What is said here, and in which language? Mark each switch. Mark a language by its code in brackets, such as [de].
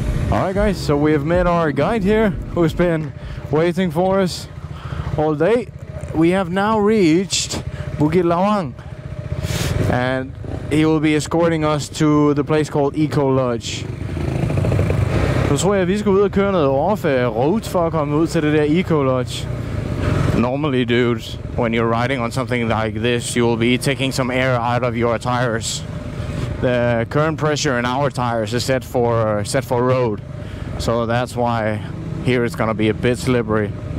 [en] Alright guys, so we have met our guide here, who's been waiting for us all day. We have now reached Bukit Lawang, and he will be escorting us to the place called Eco Lodge. [da] Så tror jeg, vi skal ud og køre noget off road for at komme ud til det der Eco Lodge. [en] Normally, dude, when you're riding on something like this, you will be taking some air out of your tires. The current pressure in our tires is set for road, so that's why here it's gonna be a bit slippery.